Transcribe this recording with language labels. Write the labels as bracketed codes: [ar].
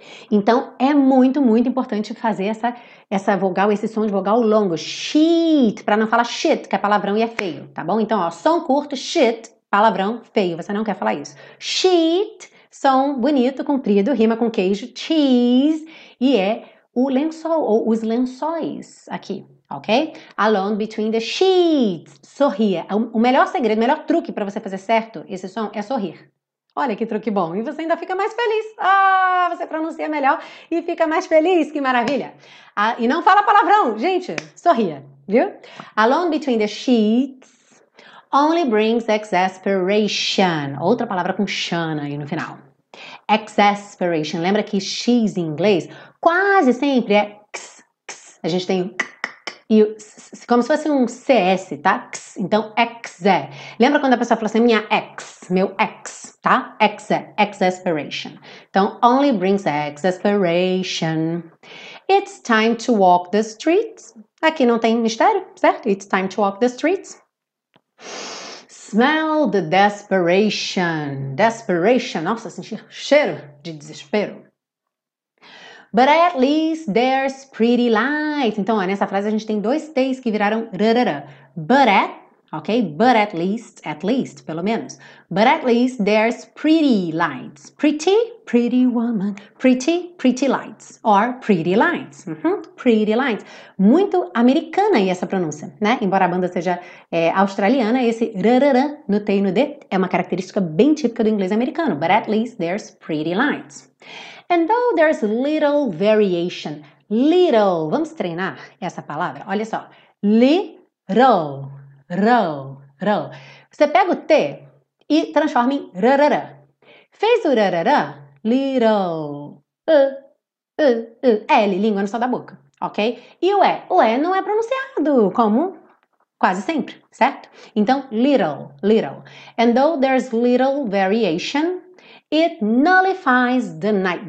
[pt] Então, é muito, muito importante fazer essa vogal, esse som de vogal longo, shit, pra não falar shit, que é palavrão e é feio, tá bom? Então, ó, som curto, shit, palavrão, feio, você não quer falar isso. Shit, som bonito, comprido, rima com queijo, cheese, e é o lençol ou os lençóis aqui, ok? [en] Alone between the sheets, [pt] sorria. O melhor segredo, o melhor truque para você fazer certo esse som é sorrir. Olha que truque bom, e você ainda fica mais feliz. Ah, você pronuncia melhor e fica mais feliz, que maravilha. Ah, e não fala palavrão, gente, sorria, viu? [en] Alone between the sheets only brings exasperation. [pt] Outra palavra com chan aí no final. Exasperation. Lembra que X em inglês quase sempre é X, X. A gente tem o K, K, K e o S, como se fosse um CS, tá? X. Então, exé. Lembra quando a pessoa fala assim, minha ex, meu ex, tá? Exé, exasperation. Então, [en] only brings exasperation. It's time to walk the streets. [pt] Aqui não tem mistério, certo? [en] It's time to walk the streets. Smell the desperation. Desperation. [pt] Nossa, sentir cheiro de desespero. [en] But at least there's pretty light. [pt] Então, ó, nessa frase a gente tem dois T's que viraram rarara. [en] But at, ok? But at least, [pt] pelo menos. [en] But at least there's pretty lights. Pretty, pretty woman. Pretty, pretty lights. Or pretty lights. Uh-huh. Pretty lights. [pt] Muito americana aí essa pronúncia, né? Embora a banda seja australiana, esse rarara no T e no D é uma característica bem típica do inglês americano. [en] But at least there's pretty lights. And though there's little variation. Little. [pt] Vamos treinar essa palavra. Olha só. Little. Row, row. Você pega o T e transforma em rarara. Fez o rarara, little, L, língua no sol da boca, ok? E o E? O E não é pronunciado, como quase sempre, certo? Então, little, little. [en] And though there's little variation, it nullifies the night.